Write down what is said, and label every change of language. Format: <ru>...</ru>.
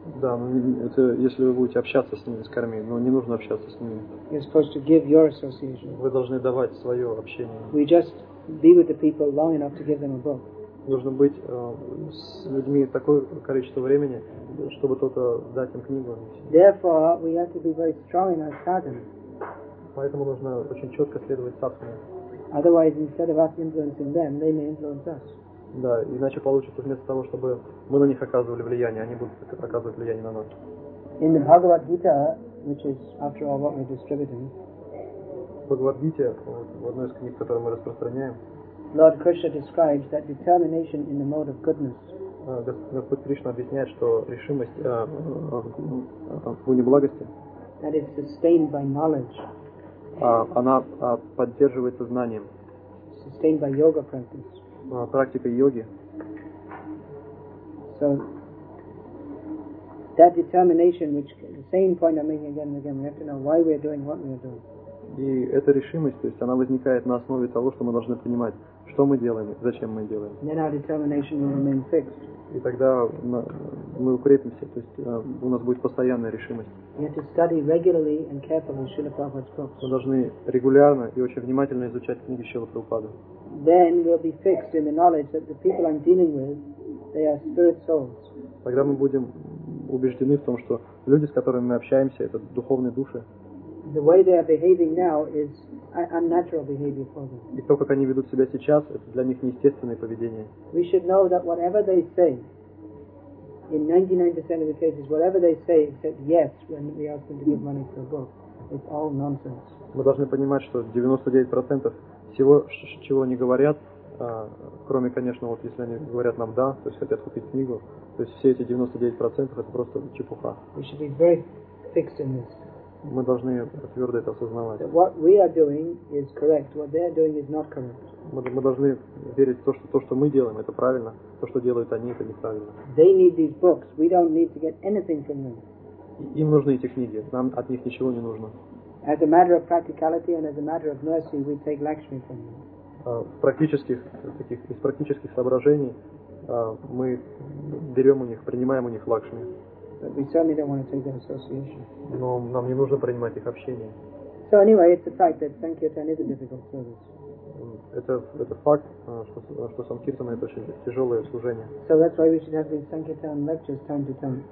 <ru>Да, но это если вы будете общаться с ними, с карми, но не нужно общаться с ними.</ru> <en>You're supposed to give your association.</en> <ru>Вы должны давать свое общение.</ru> <en>We just be with the people long enough to give them a book.</en> <ru>Нужно быть с людьми такое количество времени, чтобы только дать им книгу.</ru> <en>Therefore, we have to be very strong in our sadhana.</en> <ru>Поэтому нужно очень четко следовать садхане.</ru> <en>Otherwise, instead of us influencing them, they may influence us.</en> <ru>Да, иначе получится вместо того, чтобы мы на них оказывали влияние, они будут оказывать влияние на нас.</ru> <en>In the Bhagavad Gita, which is after all what we're distributing.</en> <ru>В Bhagavad Gita, в одной из книг, которую мы распространяем.</ru> <en>Lord Krishna describes that determination in the mode of goodness.</en> <ru>Господь Кришна объясняет, что решимость в уни благости.</ru> <en>That is sustained by knowledge.</en> <ru>Она поддерживается знанием.</ru> <en>Sustained by yoga practice.</en> <ru>Практика йоги.</ru> <en>So that determination, which the same point I'm making again and again, we have to know why we're doing what we're doing.</en> <ru>И эта решимость, то есть она возникает на основе того, что мы должны понимать, что мы делаем, зачем мы делаем.</ru> <en>Then our determination will remain fixed.</en> <ru>И тогда мы укрепимся, то есть у нас будет постоянная решимость.</ru> <en>We have to study regularly and carefully Srila Prabhupada's books.</en> <ru>Мы должны регулярно и очень внимательно изучать книги Шрилы Прабхупады.</ru> <en>Then we'll be fixed in the knowledge that the people I'm dealing with, they are spirit souls.</en> <ru>Тогда мы будем убеждены в том, что люди, с которыми мы общаемся, это духовные души.</ru> <en>The way they are behaving now is unnatural behavior for them.</en> <ru>И то, как они ведут себя сейчас, это для них неестественное поведение.</ru> <en>We should know that whatever they say, in 99% of the cases, whatever they say except yes, when we ask them to give money for a book, it's all nonsense.</en> <ru>Мы должны понимать, что 99% всего, чего они говорят, кроме, конечно, вот если они говорят нам «да», то есть хотят купить книгу, то есть все эти 99% — это просто чепуха.</ru> <en>We should be very fixed in this.</en> <ru>Мы должны твердо это осознавать.</ru> <en>What we are doing is correct. What they are doing is not correct.</en> <ru>Мы должны верить в то, что мы делаем, это правильно. То, что делают они, это неправильно.</ru> <en>They need these books. We don't need to get anything from them.</en> <ru>Им нужны эти книги. Нам от них ничего не нужно.</ru> <en>As a matter of practicality and as a matter of mercy, we take Lakshmi from them.</en> <ru>Из практических соображений мы берем у них, принимаем у них Лакшми.</ru> <en>But we certainly don't want to take their association.</en> <ru>Но нам не нужно принимать их общение.</ru> <en>So anyway, it's the fact that Sankirtan is a difficult service.</en> <ru>это факт, что санкиртана это очень тяжелое служение.</ru> <en>So that's why we should have these sankirtan lectures time to time.</en>